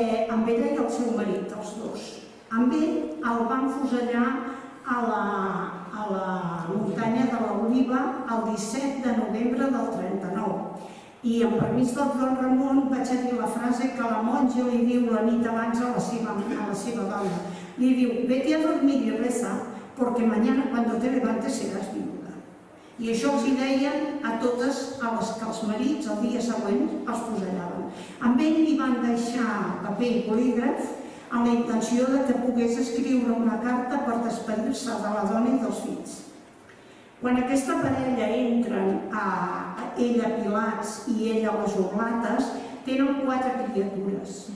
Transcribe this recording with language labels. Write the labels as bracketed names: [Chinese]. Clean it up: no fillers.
[Catalan] Amb ella i el seu marit, els dos. Amb ell el van fusellar a la muntanya de l'Oliva el 17 de novembre del 39. I amb permís del Joan Ramon vaig a dir la frase que la monja li diu la nit abans a la seva dona. Li diu, [Spanish] vete a dormir i reza, porque mañana cuando te levantes serás viuda. [Catalan] I això els hi deien a totes a les que els marits el dia següent els fusellaven. Amb ell li van deixar paper i polígraf amb la intenció de que pogués escriure una carta per despedir-se de la dona i dels fills. Quan aquesta parella entren a ella Pilats i ella les Oblates, tenen quatre criatures.